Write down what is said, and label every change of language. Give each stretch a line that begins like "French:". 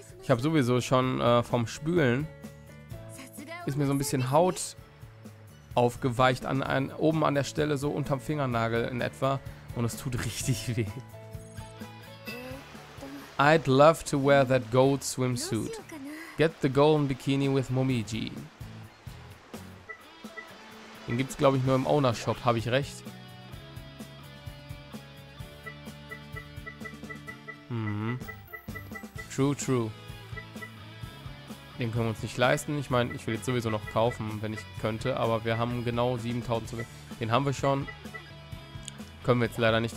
German: Ich habe sowieso schon vom Spülen ist mir so ein bisschen Haut aufgeweicht oben an der Stelle, so unterm Fingernagel in etwa. Und es tut richtig weh.
English: I'd love to wear that gold swimsuit. Get the golden bikini with Momiji.
German: Den gibt's, glaube ich, nur im Ownershop. Habe ich recht?
English: True, true.
German: Den können wir uns nicht leisten. Ich meine, ich will jetzt sowieso noch kaufen, wenn ich könnte. Aber wir haben genau 7.000 zu. Den haben wir schon. Können wir jetzt leider nicht.